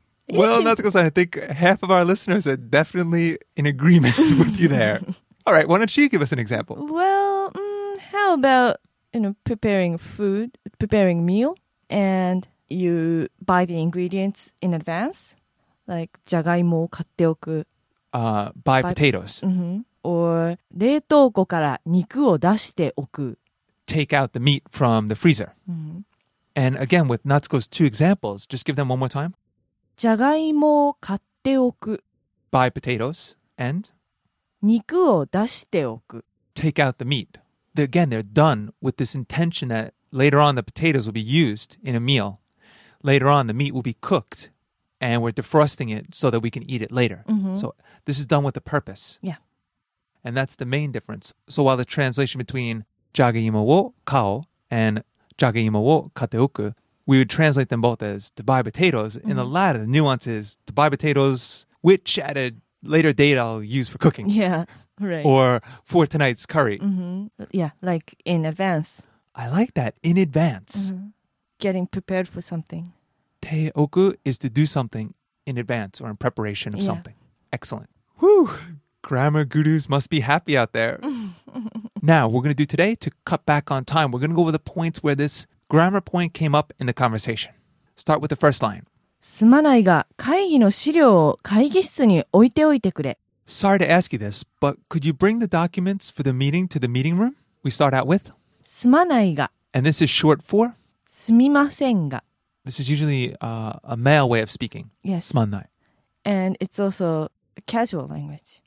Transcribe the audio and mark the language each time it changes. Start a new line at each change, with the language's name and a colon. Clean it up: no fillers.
English: Well, Natsuko-san, I think half of our listeners are definitely in agreement with you there. All right, why don't you give us an example? Well, how about, you know, preparing meal, and you buy the ingredients in advance, like
Japanese: jagaimo wo katte oku.
English: Buy potatoes. Mm-hmm.
Japanese: Or 冷凍庫 から肉を出しておく.
English: Take out the meat from the freezer. Mm-hmm. And again, with Natsuko's two examples, just give them one more time.
Japanese: じゃがいもを買っておく.
English: Buy potatoes. And?
Japanese: 肉を出しておく.
English: Take out the meat. Again, they're done with this intention that later on the potatoes will be used in a meal. Later on, the meat will be cooked. And we're defrosting it so that we can eat it later. Mm-hmm. So this is done with a purpose. Yeah. And that's the main difference. So while the translation between
Japanese: jagaimo wo kao
English: and
Japanese: jagaimo wo katte oku,
English: we would translate them both as to buy potatoes. Mm-hmm. In the latter, the nuance is to buy potatoes, which at a later date I'll use for cooking. Yeah, right. Or for tonight's curry. Mm-hmm. Yeah, like in advance. I like that, in advance. Mm-hmm. Getting prepared for something. Te oku is to do something in advance or in preparation of something. Excellent. Whew! Grammar gurus must be happy out there. Now, we're going to do today, to cut back on time, we're going to go over the points where this grammar point came up in the conversation. Start with the first line.
Japanese: すまないが、会議の資料を会議室に置いておいてくれ。
English: Sorry to ask you this, but could you bring the documents for the meeting to the meeting room? We start out with?
Japanese: すまないが。
English: And this is short for?
Japanese: すみませんが。
English: This is usually a male way of speaking. Yes.
Japanese: すまない。
English: And it's also a casual language.